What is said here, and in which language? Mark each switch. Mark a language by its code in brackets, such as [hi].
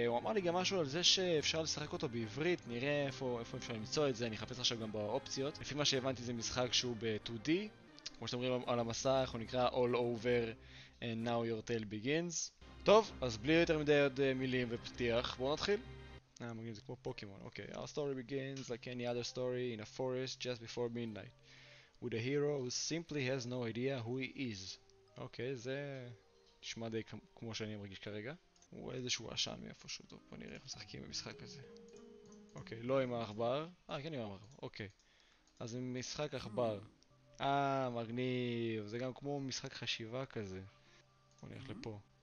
[he] הוא אמר לי גם משהו על זה שאפשר לשחק אותו בעברית, נראה איפה אפשר למצוא את זה, אני אחפש עכשיו גם באופציות. לפי מה שהבנתי זה משחק שהוא 2D, כמו שאתם רואים על המסך, הוא נקרא All Over and Now Your Tale Begins. טוב, אז בלי יותר מדי עוד מילים ופתיח, בואו נתחיל. מגניב, זה כמו פוקימון. [en] אוקיי, our story begins like any other story in a forest just before midnight with a hero who simply has no idea who he is. [he] אוקיי, זה נשמע די כמו שאני מרגיש כרגע. הוא איזשהו עשן מאיפשהו. טוב, בואו נראה איך משחקים במשחק הזה. אוקיי, לא עם העכבר. כן, עם העכבר. אוקיי, אז עם משחק עכבר. מגניב, זה גם כמו משחק חשיבה כזה. בוא נלך לפה.